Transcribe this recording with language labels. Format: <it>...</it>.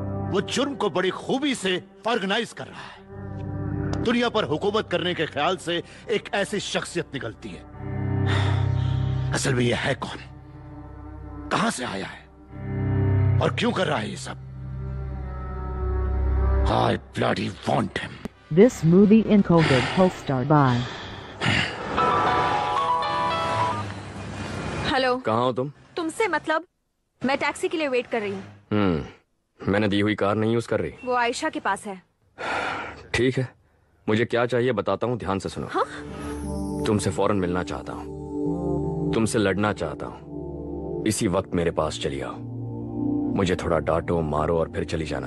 <hi>वो जुर्म को बड़ी खूबी से ऑर्गेनाइज कर रहा है। दुनिया पर हुकूमत करने के ख्याल से एक ऐसी शख्सियत निकलती है। असल में ये है कौन, कहां से आया है और क्यों कर रहा है ये सब?</hi> <en>I bloody want him. This movie encoded co-star by.</en> <hi>Hello, कहाँ हो तुम? तुमसे मतलब, मैं टैक्सी के लिए वेट कर रही हूँ। मैंने दी हुई कार नहीं यूज कर रही। वो आयशा के पास है। ठीक है, मुझे क्या चाहिए बताता हूँ, ध्यान से सुनो। हा? तुमसे फौरन मिलना चाहता हूँ, तुमसे लड़ना चाहता हूँ, इसी वक्त मेरे पास चली आओ, मुझे थोड़ा डांटो मारो और फिर चली जाना।</hi>